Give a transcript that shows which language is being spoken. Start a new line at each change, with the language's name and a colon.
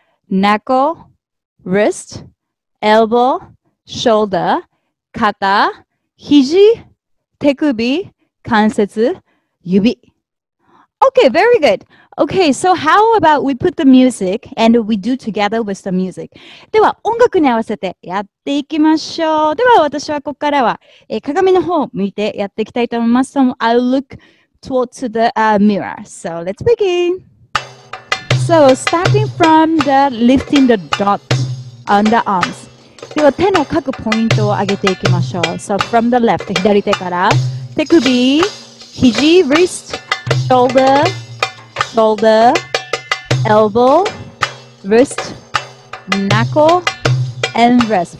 English: Knuckle, wrist, elbow, shoulder,
Japanese: 肩、肘、手首、関節、指。
English: Okay, very good. Okay, so how about we put the music and we do together with the music.
Japanese: では音楽に合わせてやっていきましょう。では私はここからは鏡の方を向いてやっていきたいと思います。
English: So I'll look... towards the mirror. So let's begin. So starting from the lifting the dot on the arms.
Japanese: では手の各ポイントを上げていきましょう.
English: So from the left,
Japanese: 左手から手首、肘、
English: wrist, shoulder, shoulder, elbow, wrist, knuckle, and wrist.